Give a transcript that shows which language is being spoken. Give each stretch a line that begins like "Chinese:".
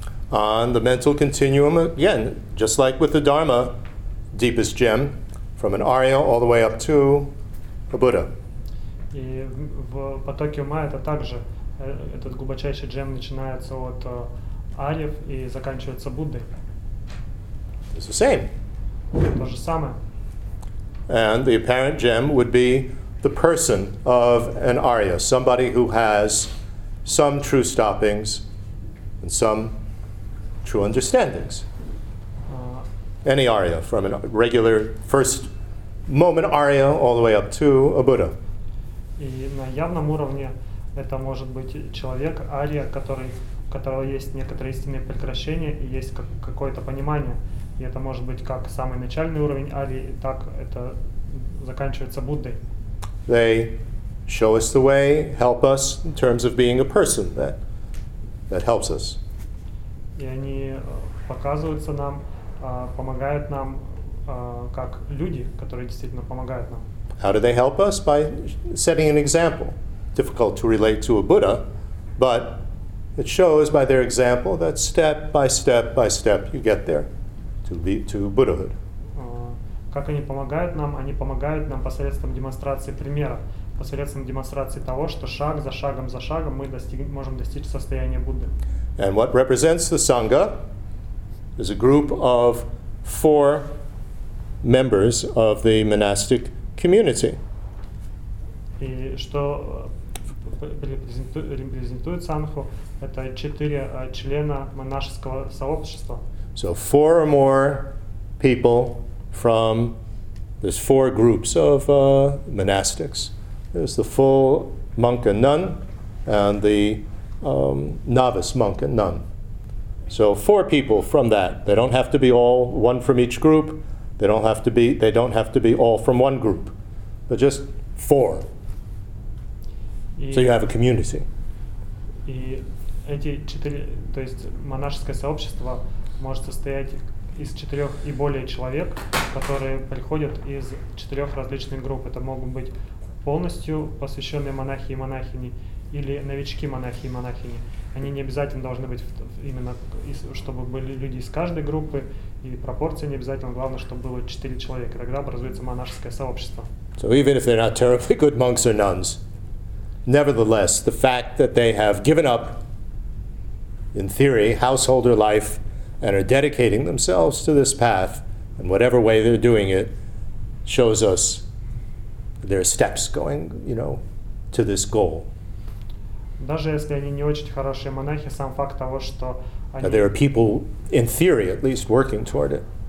English: On the mental continuum again, just like with the Dharma, deepest gem, from an Arya all the way up to a Buddha.
Russian: И в потоке ума это также, этот глубочайший джем начинается от Арьев и заканчивается Буддой.
English: It's the same.
Russian: То же самое.
English: And the apparent gem would be the person of an Arya, somebody who has some true stoppings and some true understandings. Any Arya, from a regular first moment Arya all the way up to a Buddha.
Russian: И на явном уровне это может быть человек, Арья, у которого есть некоторые истинные прекращения и есть какое-то понимание. И это может быть как самый начальный уровень Арии, так это заканчивается Буддой.
English: They show us the way, help us in terms of being a person that helps us.
Russian: И они показываются нам, помогают нам как люди, которые действительно помогают нам.
English: How do they help us? By setting an example. Difficult to relate to a Buddha, but it shows by their example that step by step by step you get there. To Buddhahood.
Russian: Как они помогают нам? Они помогают нам посредством демонстрации примера, посредством демонстрации того, что шаг за шагом за шагом мы можем достичь состояния Будды.
English: And what represents the Sangha is a group of four members of the monastic community.
Russian: И что репрезентует Сангху? Это четыре члена монашеского сообщества.
English: So four or more people from there's four groups of monastics. There's the full monk and nun, and the novice monk and nun. So four people from that. They don't have to be all one from each group. They don't have to be all from one group. But just four. So you have a community.
Russian: И эти четыре, то есть монашеское сообщество. Может состоять из четырех и более человек, которые приходят из четырех различных групп. Это могут быть полностью посвященные монахи и монахини, или новички монахи и монахини. Они не обязательно должны быть именно, чтобы были люди из каждой группы, и пропорции не обязательно, главное, чтобы было четыре человека. Тогда образуется монашеское сообщество.
English: So even if they're not terribly good monks or nuns, nevertheless, the fact that they have given up, in theory, householder life, and are dedicating themselves to this path, and whatever way they're doing it, shows us their steps going, you know, to this goal.
Russian: Даже если они не очень хорошие монахи, сам факт того, что они...
English: There are people, in theory, at least, working toward it.